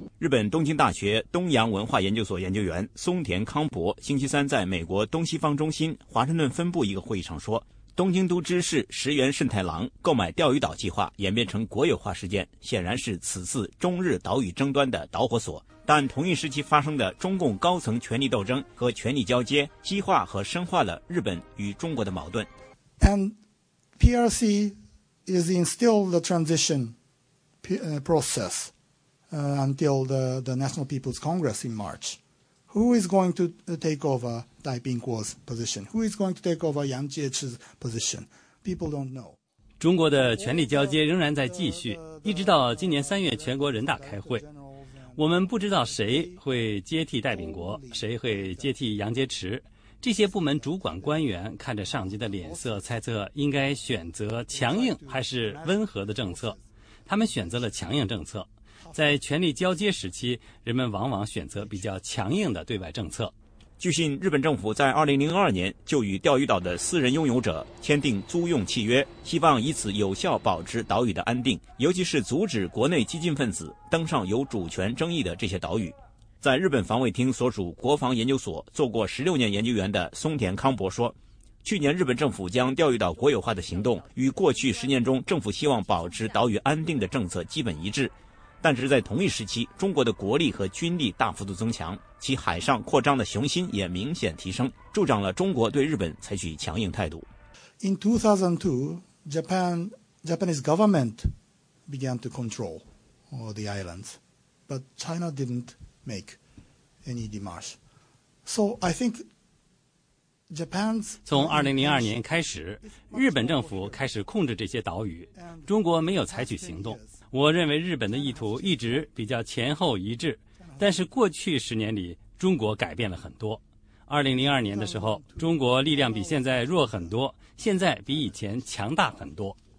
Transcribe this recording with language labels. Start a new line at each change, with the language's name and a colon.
Chinese: 日本东京大学东洋文化研究所研究员松田康博星期三在美国东西方中心华盛顿分部一个会议上说，东京都知事石原慎太郎购买钓鱼岛计划演变成国有化事件，显然是此次中日岛屿争端的导火索，但同一时期发生的中共高层权力斗争和权力交接激化和深化了日本与中国的矛盾。
English: And PRC is in still the transition process until the National People's Congress in March. Who is going to take over Dai Bingguo's position? Who is going to take over Yang Jiechi's position? People don't know.
Chinese: 中国的权力交接仍然在继续，一直到今年三月全国人大开会。我们不知道谁会接替戴秉国，谁会接替杨洁篪。这些部门主管官员看着上级的脸色，猜测应该选择强硬还是温和的政策。他们选择了强硬政策。在权力交接时期，人们往往选择比较强硬的对外政策。据信，日本政府在2002年就与钓鱼岛的私人拥有者签订租用契约，希望以此有效保持岛屿的安定，尤其是阻止国内激进分子登上有主权争议的这些岛屿。在日本防卫厅所属国防研究所做过16年研究员的松田康博说，去年日本政府将钓鱼岛国有化的行动与过去10年中政府希望保持岛屿安定的政策基本一致，但只是在同一时期，中国的国力和军力大幅度增强，其海上扩张的雄心也明显提升，助长了中国对日本采取强硬态度。
English: In 2002, Japanese government began to control all the islands, but China didn't make any demarche. So I think Japan's
Chinese: 从2002年开始，日本政府开始控制这些岛屿，中国没有采取行动。我认为日本的意图一直比较前后一致，但是过去十年里中国改变了很多。 2002年的时候，中国力量比现在弱很多，现在比以前强大很多。